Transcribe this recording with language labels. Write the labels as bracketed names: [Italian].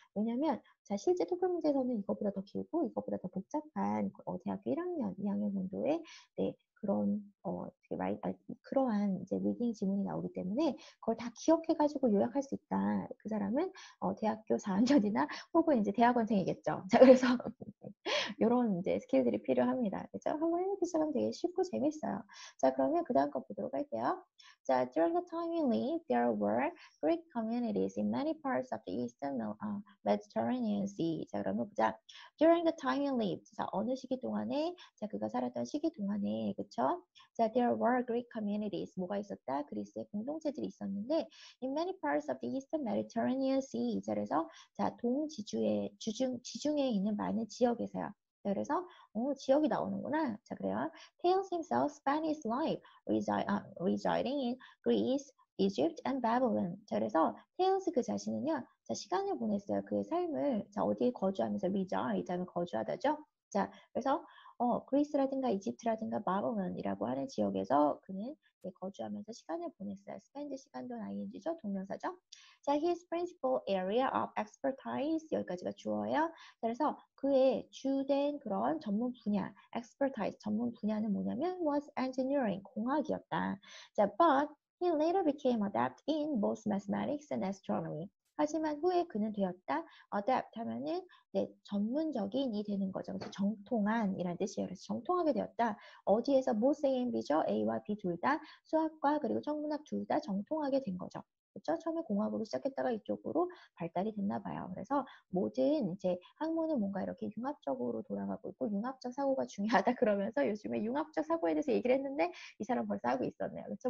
[Korean] 왜냐면, 자, 실제 토플 문제에서는 이거보다 더 길고, 이거보다 더 복잡한, 대학교 1학년, 2학년 정도의, 네, 그런, 그러한 이제 리딩 지문이 나오기 때문에 그걸 다 기억해가지고 요약할 수 있다. 그 사람은, 대학교 4학년이나 혹은 이제 대학원생이겠죠. 자, 그래서. 이런 이제 스킬들이 필요합니다. 그렇죠? 한번 해보시면 되게 쉽고 재밌어요. 자, 그러면 그 다음 거 보도록 할게요. [English] 자, during the time we lived, there were Greek communities in many parts of the eastern Mediterranean Sea. [Korean] 자, 그러면 보자. [English] During the time we lived, [Korean] 자, 어느 시기 동안에, 자, 그가 살았던 시기 동안에, 그렇죠? 자, [English] there were Greek communities. [Korean] 뭐가 있었다? 그리스의 공동체들이 있었는데, [English] in many parts of the eastern Mediterranean Sea. [Korean] 자, 그래서, 자, 동지중해, 지중해에 있는 많은 지역에서요. 자, 그래서 지역이 나오는구나. 자, 그래요. [English] Tales himself Spanish life residing in Greece, Egypt and Babylon. [Korean] 자, 그래서 Tales 그 자신은요, 자, 시간을 보냈어요. 그의 삶을, 자, 어디에 거주하면서 reside 하면 거주하다죠. 자, 그래서 그리스라든가 이집트라든가 바벨론이라고 하는 지역에서 그는 거주하면서 시간을 보냈어요. spend 시간도 ing죠, 동명사죠. 자, [English] his principal area of expertise [Korean] 여기까지가 주어예요. 그래서 그의 주된 그런 전문 분야, expertise 전문 분야는 뭐냐면 [English] was engineering [Korean] 공학이었다. [English] 자, but he later became adept in both mathematics and astronomy. [Korean] 하지만 후에 그는 되었다. adept 하면은 네, 전문적인이 되는 거죠. 그래서 정통한이라는 뜻이에요. 그래서 정통하게 되었다. 어디에서 both A and B죠? A와 B 둘다 수학과 그리고 천문학 둘다 정통하게 된 거죠. 그렇죠? 처음에 공학으로 시작했다가 이쪽으로 발달이 됐나 봐요. 그래서 모든 이제 학문은 뭔가 이렇게 융합적으로 돌아가고 있고 융합적 사고가 중요하다 그러면서 요즘에 융합적 사고에 대해서 얘기를 했는데 이 사람 벌써 하고 있었네요. 그렇죠?